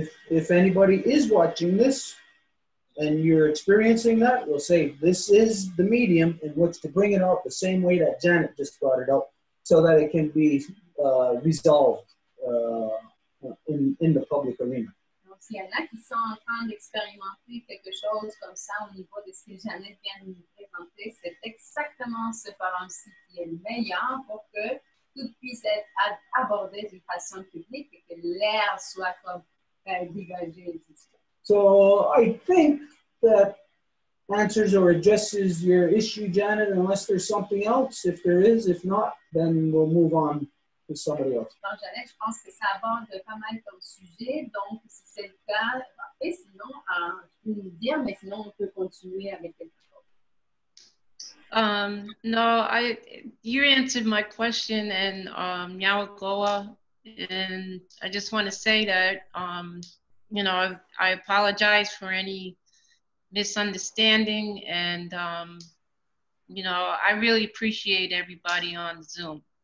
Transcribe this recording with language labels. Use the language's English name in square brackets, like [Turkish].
[English] If anybody is watching this, and you're experiencing that, we'll say this is the medium in which to bring it out the same way that Janet just brought it out, so that it can be resolved in the public arena. [French] Donc, s'il y en a qui sont en train d'expérimenter quelque chose comme ça au niveau de ce que Janet vient de nous présenter, c'est exactement ce forum-ci qui est le meilleur pour que tout puisse être abordé d'une façon publique et que l'air soit comme dégagé. [English] So I think that answers or addresses your issue, Janet, unless there's something else. If there is, if not, then we'll move on to somebody else. [French] Donc, Janet, je pense que ça aborde pas mal comme sujet. Donc, si c'est le cas, et sinon, tu peux nous dire, mais sinon, on peut continuer avec quelque chose. [English] No, you answered my question and Yawakoa, and I just want to say that you know, I apologize for any misunderstanding, and you know, I really appreciate everybody on Zoom.